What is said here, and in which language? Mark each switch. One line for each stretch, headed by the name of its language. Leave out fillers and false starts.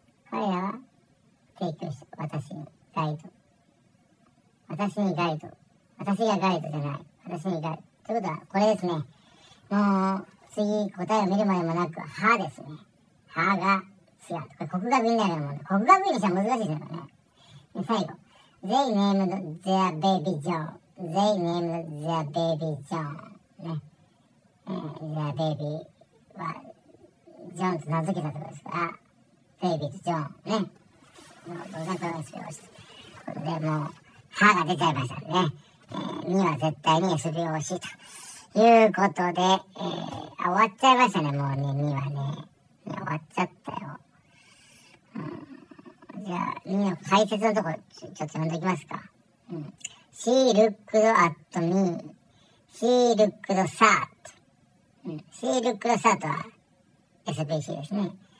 Japanese: 彼らは提供した。私にガイド。私にガイド。私がガイドじゃない。私にガイド。ということは、これですね。もう、次、答えを見るまでもなく、歯ですね。歯が違う。これ、国学院だけども、国学院にしたら難しいですよね。最後。
English: They named their baby John. They named their baby John.
Japanese: ね。
English: their baby
Japanese: は、ジョンと名付けたところですから、baby と John。ね。もう、どんなことですよ。これでもう、歯が出ちゃいましたね。2は絶対に SVOC ということで、終わっちゃいましたね、もうね、2はね。終わっちゃったよ。じゃあ、2の解説のとこ、ちょっと読んでおきますか。
English: She looked at me. She looked sad.、She looked sad
Japanese: は SVC ですね。